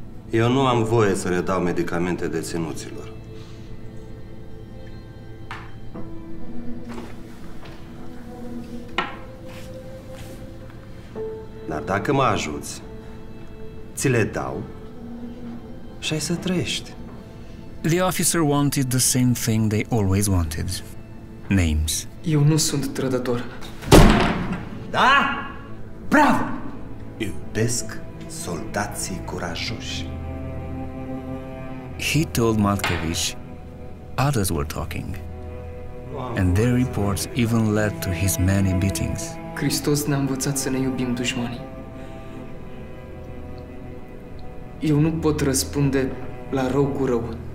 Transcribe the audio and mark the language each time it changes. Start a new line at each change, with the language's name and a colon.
Romanian: Eu nu am voie să redau medicamente deținuților. Dar dacă mă ajuți, ți le dau și ai să trăiești.
English: The officer wanted the same thing they always wanted. Names.
Romanian: Eu nu sunt trădător. Da? Bravo! Iubesc soldații curajoși.
English: He told Matkevich others were talking, and their reports even led to his many beatings.
Romanian: Hristos ne-a învățat să ne iubim dușmanii. Eu nu pot răspunde la rău cu rău.